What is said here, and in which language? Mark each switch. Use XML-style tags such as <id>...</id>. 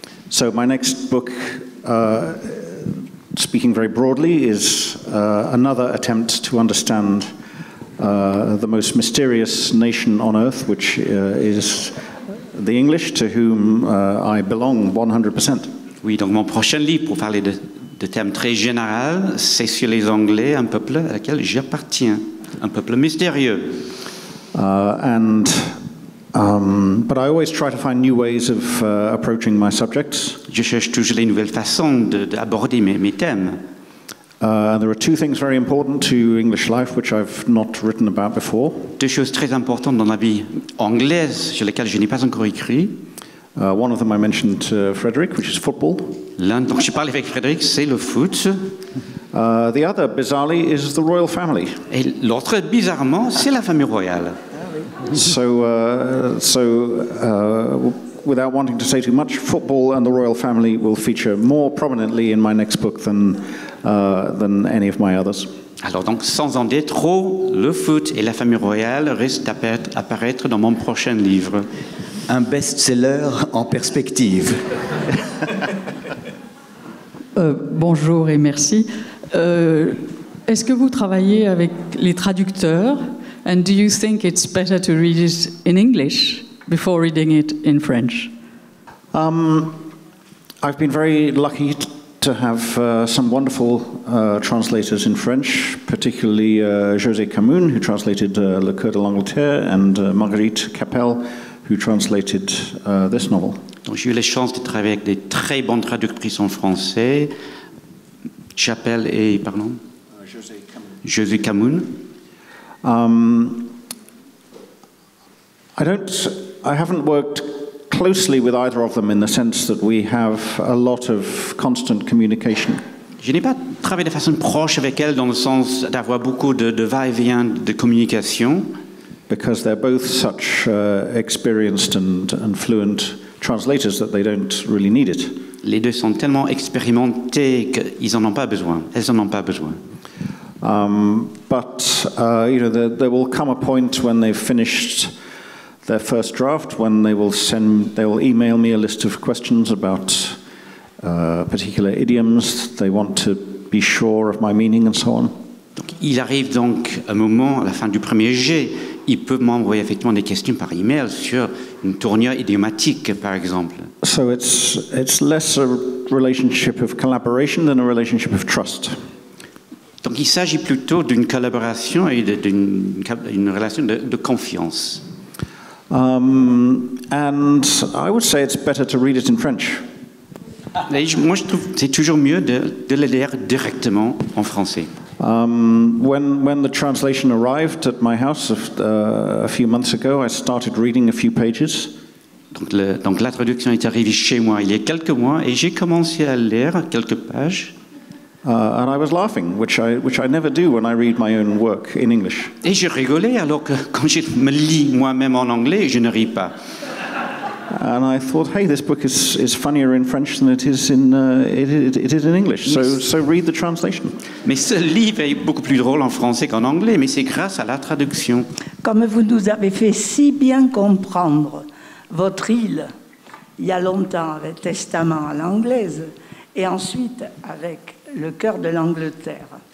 <en>So my next book, speaking very broadly, is another attempt to understand the most mysterious nation on earth, which is the English, to whom I belong 100%.</en> <fr>Oui, donc mon prochain livre, pour parler de thèmes très généraux, c'est sur les Anglais, un peuple à laquelle j'appartiens, un peuple mystérieux.</fr> <en>But I always try to find new ways of approaching my subjects.</en> <fr>Je cherche toujours les nouvelles façons d'aborder mes thèmes.</fr> <en>There are two things very important to English life which I've not written about before.</en> <fr>Deux choses très importantes dans la vie anglaise sur lesquelles je n'ai pas encore écrit.</fr> <en>One of them I mentioned to Frédéric, which is football.</en> <fr>L'un dont je parle avec Frédéric, c'est le foot.</fr> <en>The other, bizarrely, is the royal family.</en> <fr>Et l'autre, bizarrement, c'est la famille royale.</fr> <en>So, without wanting to say too much, football and the royal family will feature more prominently in my next book than any of my others.</en> <fr>Alors donc, sans en dire trop, le foot et la famille royale risquent d'apparaître dans mon prochain livre. Un best-seller en perspective. Bonjour et merci. Est-ce que vous travaillez avec les traducteurs?</fr> <en>And do you think it's better to read it in English before reading it in French? I've been very lucky to have some wonderful translators in French, particularly José Camun, who translated Le Coeur de l'Angleterre, and Marguerite Capelle, who translated this novel.</en> <fr>Donc, j'ai eu la chance de travailler avec des très bonnes traductrices en français, Chapelle et, pardon, José Camun. I haven't worked closely with either of them in the sense that we have a lot of constant communication. Je n'ai pas travaillé de façon proche avec elles dans le sens d'avoir beaucoup de va-et-vient de communication. Because they're both such experienced and fluent translators that they don't really need it. Les deux sont tellement expérimentés qu'ils en ont pas besoin. Elles en ont pas besoin.</fr> <en>There will come a point when they've finished their first draft, when they will email me a list of questions about particular idioms. They want to be sure of my meaning and so on.</en> <fr>Donc, il arrive donc un moment à la fin du premier jet, ils peuvent m'envoyer effectivement des questions par email sur une tournure idiomatique, par exemple.</fr> <en>So it's less a relationship of collaboration than a relationship of trust.</en> <fr>Donc il s'agit plutôt d'une collaboration et d'une relation de confiance.</fr> <en>And I would say it's better to read it in French.</en> <fr>Moi, je trouve que c'est toujours mieux de le lire directement en français.</fr> <en>When the translation arrived at my house a few months ago, I started reading a few pages.</en> <fr>Donc la traduction est arrivée chez moi il y a quelques mois et j'ai commencé à lire quelques pages.</fr> <en>And I was laughing, which I never do when I read my own work in English.</en> <fr>Et je rigolais alors que quand je me lis moi-même en anglais, je ne ris pas.</fr> <en>And I thought, hey, this book is funnier in French than it is in it is in English. So read the translation.</en> <fr>Mais ce livre est beaucoup plus drôle en français qu'en anglais, mais c'est grâce à la traduction. Comme vous nous avez fait si bien comprendre votre île il y a longtemps avec Testament à l'anglaise et ensuite avec Le cœur de l'Angleterre.</fr>